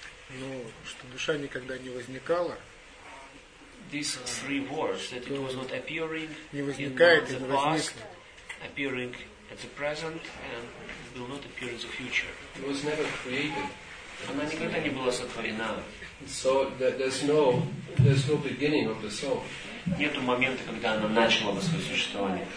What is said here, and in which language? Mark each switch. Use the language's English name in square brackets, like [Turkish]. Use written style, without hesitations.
[Russian] Ну, что душа никогда не возникала. [English] These three words, that it was not appearing, [Russian] не возникает, [English] in the past, appearing at the present, and will not appear in the future. It was never created. [Russian] Она никогда не была сотворена. [English] So there's no beginning of the soul. [Russian] Нету момента, когда она начала бы свое существование.